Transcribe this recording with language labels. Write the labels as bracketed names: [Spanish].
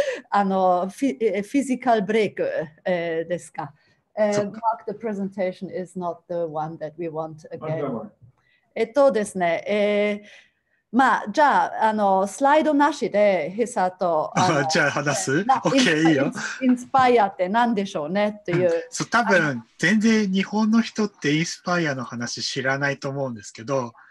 [Japanese] あのフィジカルブレイク、ですか。 [English] Mark, the presentation is not the one that we want again. [Japanese] ですね、まあ、じゃあ、あの、スライドなしで、ヒサと。あのじゃあ、話す ?OK、いいよ。インスパイアって何でしょうねっていう。そう、多分、全然日本の人ってインスパイアの話知らないと思うんですけど。